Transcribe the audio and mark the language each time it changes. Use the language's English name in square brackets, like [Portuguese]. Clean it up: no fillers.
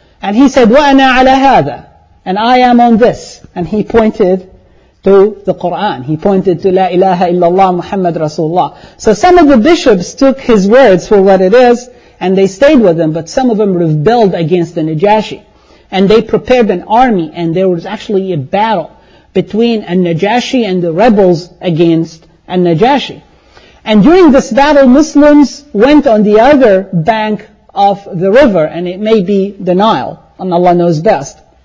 [English] And he said, [Arabic] وَأَنَا عَلَى هَذَا. [English] And I am on this. And he pointed to the Quran. He pointed to [Arabic] لا إله إلا الله محمد رسول الله. [English] So some of the bishops took his words for what it is, and they stayed with him, but some of them rebelled against the Najashi. And they prepared an army, and there was actually a battle between An-Najashi and the rebels against An-Najashi. And during this battle, Muslims went on the other bank of the river, and it may be the Nile, and Allah knows best.